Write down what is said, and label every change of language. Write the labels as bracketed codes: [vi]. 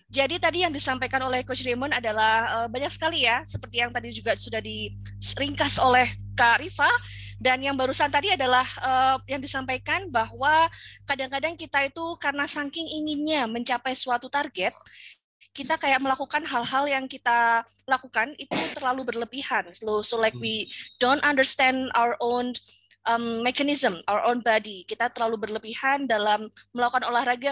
[id] Jadi tadi yang disampaikan oleh Coach Raymond adalah banyak sekali ya, seperti yang tadi juga sudah diringkas oleh Kak Rifa. Dan yang barusan tadi adalah yang disampaikan bahwa kadang-kadang kita itu karena saking inginnya mencapai suatu target, kita kayak melakukan hal-hal yang kita lakukan itu terlalu berlebihan. [en] So like we don't understand our own mechanism, our own body. [id] Kita terlalu berlebihan dalam melakukan olahraga.